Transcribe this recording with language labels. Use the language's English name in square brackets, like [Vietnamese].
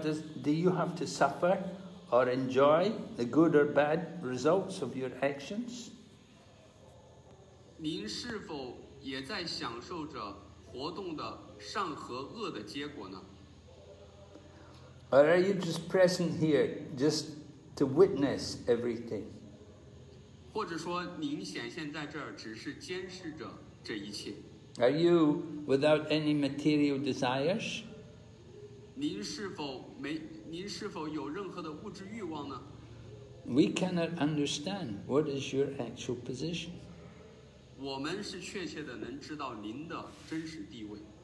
[English] Does do you have to suffer or enjoy the good or bad results of your actions? [Chinese] 您是否也在享受着活动的善和恶的结果呢？ [English] Or are you just present here just to witness everything? [Chinese] 或者说，您显现在这儿只是监视着这一切。 [English] Are you without any material desires? [Chinese] 您是否有任何的物质欲望呢？ [English] We cannot understand what is your actual position. [Chinese] 我们是确切的能知道您的真实地位。